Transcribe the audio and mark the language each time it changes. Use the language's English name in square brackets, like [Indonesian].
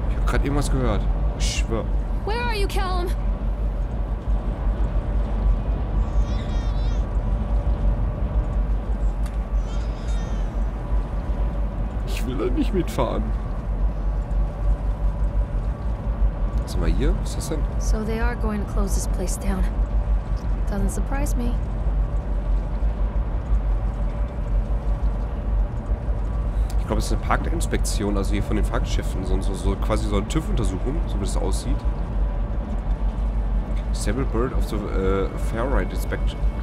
[German] Hat irgendwas gehört. Ich schwör. [English] Where are you, Callum? [German] Ich will da nicht mitfahren. Sind wir hier? Was ist das denn? [English] So they are going to close this place down. Doesn't surprise me. [German] Ich glaube, es ist eine Parkinspektion, also hier von den Fahrgeschäften, so quasi so eine TÜV-Untersuchung, so wie das aussieht. [English] Stable Bird of the Fair Ride Inspection.